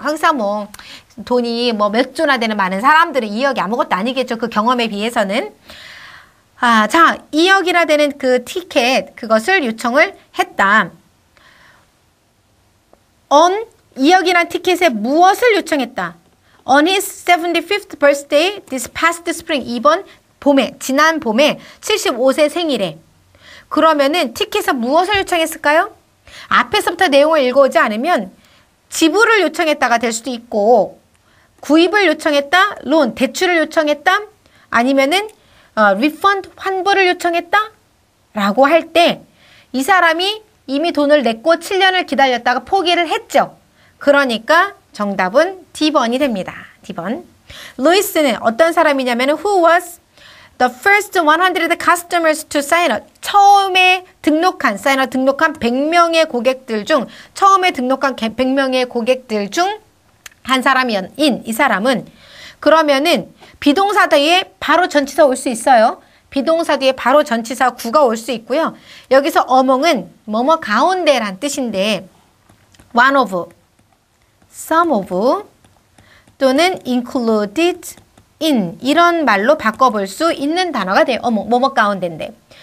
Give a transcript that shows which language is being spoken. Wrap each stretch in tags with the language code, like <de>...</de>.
<ko>항상 뭐 돈이 뭐 몇 조나 되는 많은 사람들은 2억이 아무것도 아니겠죠. 그 경험에 비해서는. 아, 자, 2억이나 되는 그 티켓, 그것을 요청을 했다. On 2억이란 티켓에 무엇을 요청했다?</ko> <en>On his 75th birthday this past spring,</en> <ko>이번 봄에, 지난 봄에 75세 생일에. 그러면은 티켓에 무엇을 요청했을까요? 앞에서부터 내용을 읽어오지 않으면 지불을 요청했다가 될 수도 있고 구입을 요청했다, 론, 대출을 요청했다, 아니면은 리펀드, 환불을 요청했다 라고 할 때 이 사람이 이미 돈을 냈고 7년을 기다렸다가 포기를 했죠. 그러니까 정답은 D번이 됩니다. D번. 루이스는 어떤 사람이냐면은</ko> <en>who was The first 100 customers to sign up.</en> <ko>처음에 등록한, 사인업 등록한 100명의 고객들 중, 처음에 등록한 100명의 고객들 중 한 사람인 이 사람은, 그러면은 비동사 뒤에 바로 전치사 올 수 있어요. 비동사 뒤에 바로 전치사 구가 올 수 있고요. 여기서 among은 뭐뭐 가운데란 뜻인데, one of, some of, 또는 included, in 이런 말로 바꿔볼 수 있는 단어가 돼요. 어머, 뭐뭐 가운데인데.</ko>